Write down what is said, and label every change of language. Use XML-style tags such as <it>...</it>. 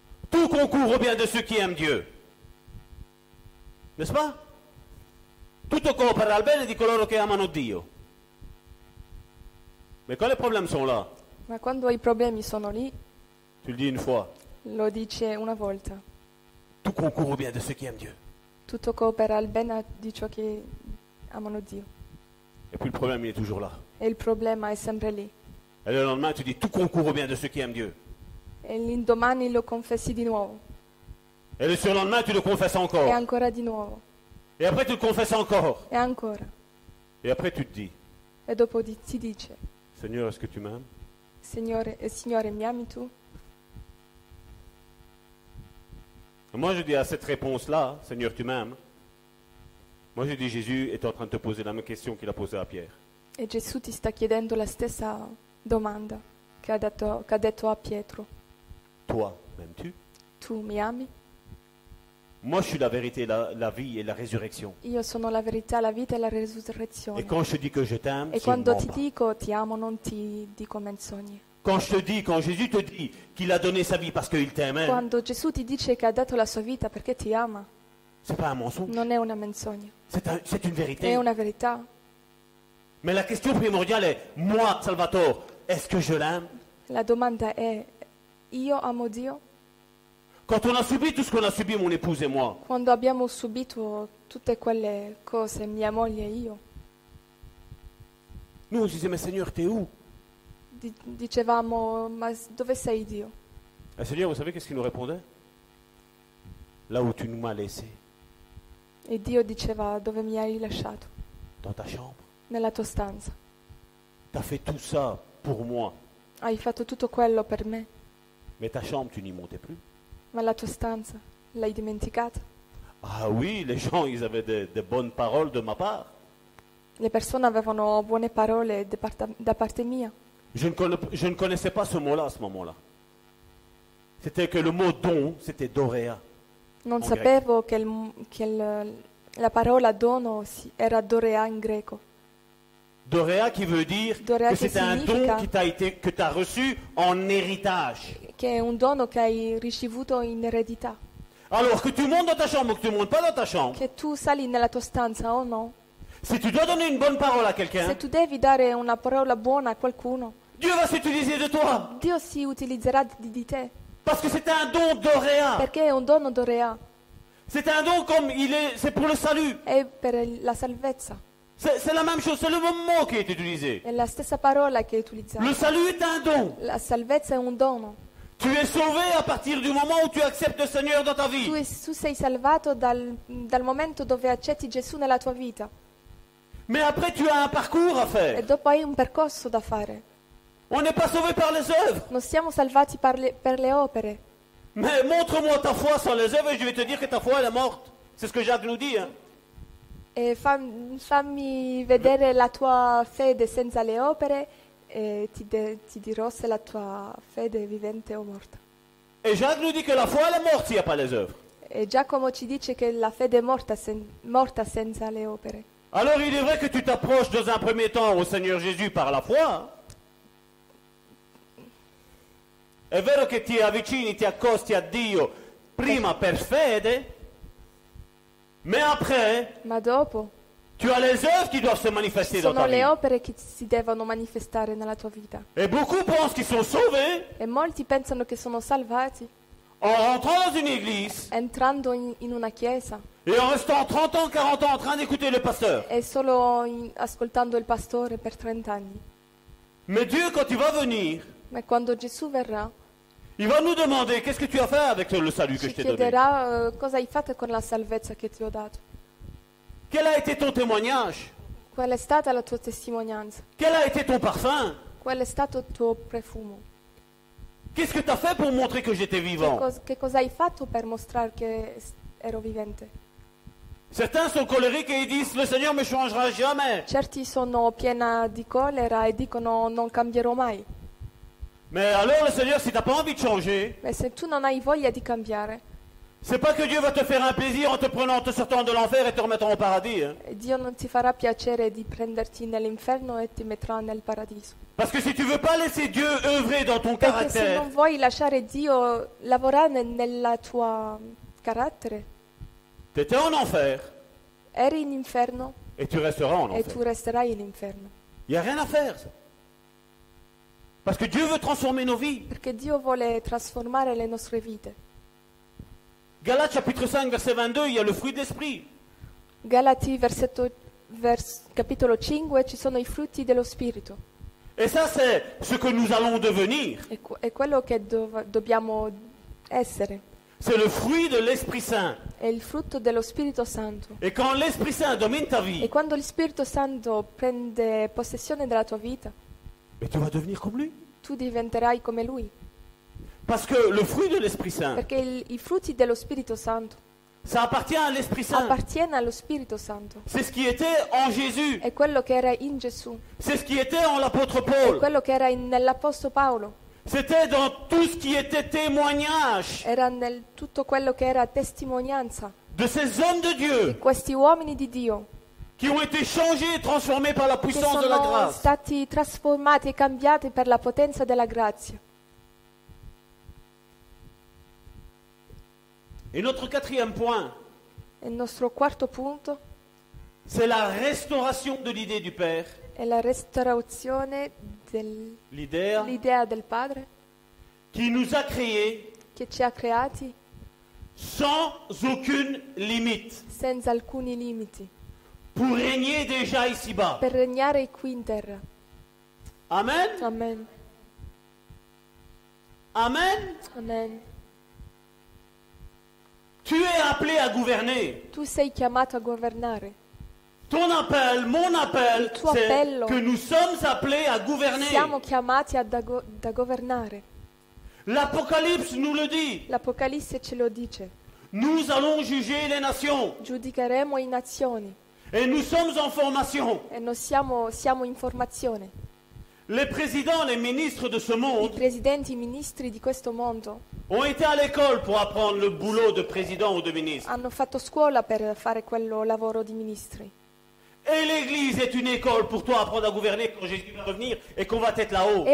<fr>Tout concourt au bien de ceux qui aiment Dieu. N'est-ce pas?</fr> <it>Tutto coopera al bene di coloro che amano Dio.</it> <fr>Mais quand les problèmes sont là?</fr> <it>Ma quando i problemi sono lì?</it> <fr>Tu le dis une fois.</fr> <it>Lo dice una volta.</it> <fr>Tout concourt au bien de ceux qui aiment Dieu.</fr> <it>Tutto coopera al bene di ciò che amano Dio.</it> <fr>Et puis le problème il est toujours là.</fr> <it>E il problema è sempre lì.</it> <fr>Et le lendemain tu dis tout concourt au bien de ceux qui aiment Dieu.</fr> <it>E l'indomani lo confessi di nuovo.</it> <fr>Et le surlendemain tu le confesses encore.</fr> <it>E ancora di nuovo.</it> <fr>Et après tu le confesses encore.</fr> <it>E ancora.</it> <fr>Et après tu te dis.</fr> <it>E dopo ti dice.</it> <fr>Seigneur, est-ce que tu m'aimes?</fr> <it>Signore, mi ami tu?</it> <fr>Moi je dis à cette réponse là, Seigneur, tu m'aimes. Moi je dis Jésus est en train de te poser la même question qu'il a posée à Pierre.</fr> <it>E Gesù ti sta chiedendo la stessa domanda che ha detto a Pietro.</it> <fr>Toi, m'aimes-tu?</fr> <it>Tu mi ami?</it> <fr>Moi je suis la vérité, la vie et la résurrection.</fr> <it>Io sono la verità, la vita e la resurrezione.</it> <fr>Et quand je dis que je t'aime,</fr> <it>e quando ti dico ti amo, non ti dico menzogne.</it> <fr>Quand Jésus te dit qu'il a donné sa vie parce qu'il t'aime.</fr> <it>Quando Gesù ti dice che ha dato la sua vita perché ti ama.</it> <fr>C'est pas un mensonge.</fr> <it>Non è una menzogna.</it> <fr>C'est une vérité.</fr> <it>È una verità.</it> <fr>Mais la question primordiale est moi, Salvatore, est-ce que je l'aime?</fr> <it>La domanda è io amo Dio?</it> <fr>Quand on a subi tout ce qu'on a subi, mon épouse et moi.</fr> <it>Quando abbiamo subito tutte quelle cose, mia moglie e io.</it> <fr>Nous on se disait, mais Seigneur, t'es où?</fr> <it>Dicevamo, ma dove sei Dio?</it> <fr>Et Seigneur, vous savez qu'est-ce qu'il nous répondait? Là où tu nous m'as laissé.</fr> <it>E Dio diceva, dove mi hai lasciato?</it> <fr>Dans ta chambre.</fr> <it>Nella tua stanza.</it> <fr>T'as fait tout ça pour moi.</fr> <it>Hai fatto tutto quello per me.</it> <fr>Mais ta chambre, tu n'y montais plus.</fr> <it>Ma la tua stanza, l'hai dimenticata?</it> <fr>Ah oui, les gens, ils avaient des bonnes paroles de ma part.</fr> <it>Le persone avevano buone parole da parte mia.</it> <fr>Je ne connaissais pas ce mot-là à ce moment-là. C'était que le mot don, c'était dorea.</fr> <it>Non sapevo che la parola dono era dorea in greco.</it> <fr>Dorea qui veut dire</fr> <it>dorea</it> <fr>que c'est un don qui t'a été, que t'as reçu en héritage.</fr> <it>Che è un dono che hai ricevuto in eredità.</it> <fr>Alors que tu montes dans ta chambre ou que tu ne montes pas dans ta chambre.</fr> <it>Che tu sali nella tua stanza o no.</it> <fr>Si tu dois donner une bonne parole à quelqu'un.</fr> <it>Se tu devi dare una parola buona a qualcuno.</it> <fr>Dieu va s'utiliser de toi.</fr> <it>Dio si utilizzerà di te.</it> <fr>Parce que c'est un don d'Orea.</fr> <it>Perché è un dono d'Orea.</it> <fr>C'est un don comme il est, c'est pour le salut.</fr> <it>È per la salvezza.</it> <fr>C'est la même chose, c'est le même mot qui est utilisé.</fr> <it>È la stessa parola che è utilizzata.</it> <fr>Le salut est un don.</fr> <it>La salvezza è un dono.</it> <fr>Tu es sauvé à partir du moment où tu acceptes le Seigneur dans ta vie.</fr> <it>Tu sei salvato dal momento dove accetti Gesù nella tua vita.</it> <fr>Mais après tu as un parcours à faire.</fr> <it>E dopo hai un percorso da fare.</it> <fr>On n'est pas sauvé par les œuvres.</fr> <it>Non siamo salvati per le opere.</it> <fr>Mais montre-moi ta foi sans les œuvres et je vais te dire que ta foi elle est morte. C'est ce que Jacques nous dit. Hein.</fr> <it>E fammi vedere la tua fede senza le opere e ti dirò se la tua fede è vivente o morta.</it> <fr>E Jacques nous dit que la foi elle est morte s'il n'y a pas les œuvres.</fr> <it>E Giacomo ci dice che la fede è morta senza le opere.</it> <fr>Alors il est vrai que tu t'approches dans un premier temps au Seigneur Jésus par la foi.</fr> <it>È vero che ti avvicini, ti accosti a Dio prima per fede,</it> <fr>mais après,</fr> <it>ma dopo,</it> <fr>tu as les œuvres qui doivent se manifester dans ta vie.</fr> <it>Sono le opere che si devono manifestare nella tua vita.</it> <fr>Et beaucoup pensent qu'ils sont sauvés.</fr> <it>E molti pensano che sono salvati.</it> <fr>En rentrant dans une église.</fr> <it>Entrando in una chiesa.</it> <fr>Et en restant 30 ans, 40 ans en train d'écouter le pasteur.</fr> <it>E solo ascoltando il pastore per 30 anni.</it> <fr>Mais Dieu, quand il va venir.</fr> <it>Ma quando Gesù verrà.</it> <fr>Il va nous demander qu'est-ce que tu as fait avec le salut que je t'ai donné.</fr> <it>Ci chiederà cosa hai fatto con la salvezza che ti ho dato.</it> <fr>Quel a été ton témoignage?</fr> <it>Qual è stata la tua testimonianza?</it> <fr>Quel a été ton parfum?</fr> <it>Qual è stato il tuo profumo?</it> <fr>Qu'est-ce que tu as fait pour montrer que j'étais vivant?</fr> <it>Che cosa hai fatto per mostrare che ero vivente?</it> <fr>Certains sont colériques et ils disent le Seigneur me changera jamais.</fr> <it>Certi sono piena di colera e dicono non cambierò mai.</it> <fr>Mais alors le Seigneur, si tu n'as pas envie de changer,</fr> <it>mais si tu non hai voglia di cambiare,</it> <fr>C'est pas que Dieu va te faire un plaisir en te prenant, en te sortant de l'enfer et te remettant au paradis. Hein.</fr> <it>Dio non ti farà piacere di prenderti nell'inferno e ti metterà nel paradiso.</it> <fr>Parce que si tu veux pas laisser Dieu œuvrer dans ton caractère.</fr> <it>Perché se non vuoi lasciare Dio lavorare nella tua carattere.</it> <fr>T'étais en enfer.</fr> <it>Eri in inferno.</it> <fr>Et tu resteras en enfer.</fr> <it>E tu resterai in inferno.</it> <fr>Il y a rien à faire. Parce que Dieu veut transformer nos vies.</fr> <it>Perché Dio vuole trasformare le nostre vite.</it> <fr>Galates chapitre 5 verset 22, il y a le fruit de l'esprit.</fr> <it>Galati versetto capitolo 5, ci sono i frutti dello spirito.</it> <fr>Et ça c'est ce que nous allons devenir.</fr> <it>È quello che dobbiamo essere.</it> <fr>C'est le fruit de l'Esprit Saint.</fr> <it>È il frutto dello Spirito Santo.</it> <fr>Et quand l'Esprit Saint domine ta vie.</fr> <it>E quando lo Spirito Santo prende possessione della tua vita.</it> <fr>Et tu vas devenir comme lui.</fr> <it>Tu diventerai come lui.</it> <fr>Parce que le fruit de l'Esprit Saint.</fr> <it>Perché i frutti dello Spirito Santo.</it> <fr>Ça appartient à l'Esprit Saint.</fr> <it>Appartiene allo Spirito Santo.</it> <fr>C'est ce qui était en Jésus.</fr> <it>È quello che era in Gesù.</it> <fr>C'est ce qui était en l'apôtre Paul.</fr> <it>È quello che era nell'apostolo Paolo.</it> <fr>C'était dans tout ce qui était témoignage.</fr> <it>Era nel tutto quello che era testimonianza.</it> <fr>De ces hommes de Dieu.</fr> <it>Di questi uomini di Dio.</it> <fr>Qui ont été changés, transformés par la puissance de la grâce.</fr> <it>Che sono stati trasformati e cambiati per la potenza della grazia.</it> <fr>Et notre quatrième point.</fr> <it>Il nostro quarto punto.</it> <fr>C'est la restauration de l'idée du Père.</fr> <it>È la restaurazione l'idea del Padre.</it> <fr>Qui nous a créés.</fr> <it>Che ci ha creati.</it> <fr>Sans aucune limite.</fr> <it>Senza alcuni limiti.</it> <fr>Pour régner déjà ici-bas.</fr> <it>Per regnare qui in terra. Amen. Amen. Amen. Amen.</it> <fr>Tu es appelé à gouverner.</fr> <it>Tu sei chiamato a governare.</it> <fr>Ton appel, mon appel,</fr> <it>il tuo appello,</it> <fr>c'est que nous sommes appelés à gouverner.</fr> <it>Siamo chiamati a governare.</it> <fr>L'Apocalypse nous le dit.</fr> <it>L'Apocalisse ce lo dice.</it> <fr>Nous allons juger les nations.</fr> <it>Giudicheremo i nazioni.</it> <fr>Et nous sommes en formation.</fr> <it>E noi siamo in formazione.</it> <fr>Les présidents, les ministres de ce monde.</fr> <it>I presidenti, i ministri di questo mondo.</it> <fr>Ont été à l'école pour apprendre le boulot de président ou de ministre.</fr> <it>Hanno fatto scuola per fare quello lavoro di ministri.</it> <fr>Et l'Église est une école pour toi apprendre à gouverner quand Jésus va revenir et qu'on va être là-haut.</fr>